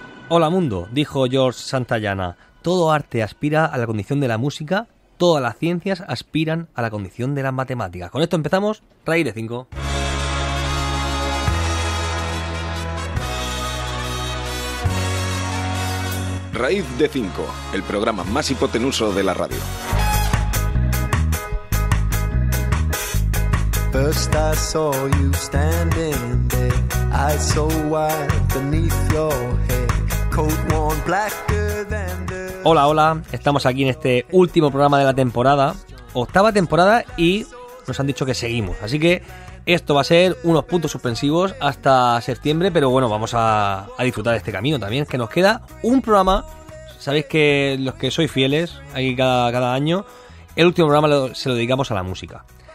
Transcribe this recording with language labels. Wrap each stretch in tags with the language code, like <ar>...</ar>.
<es>Hola mundo, dijo George Santayana. Todo arte aspira a la condición de la música, todas las ciencias aspiran a la condición de las matemáticas. Con esto empezamos Raíz de 5. Raíz de 5, el programa más hipotenuso de la radio.</es> <en>First I saw you standing there, eyes so wide beneath your head, coat worn blacker than the...</en> <es>Hola, hola, estamos aquí en este último programa de la temporada, octava temporada, y nos han dicho que seguimos. Así que esto va a ser unos puntos suspensivos hasta septiembre, pero bueno, vamos a disfrutar de este camino también, que nos queda un programa. Sabéis que los que sois fieles aquí cada año, el último programa se lo dedicamos a la música.</es>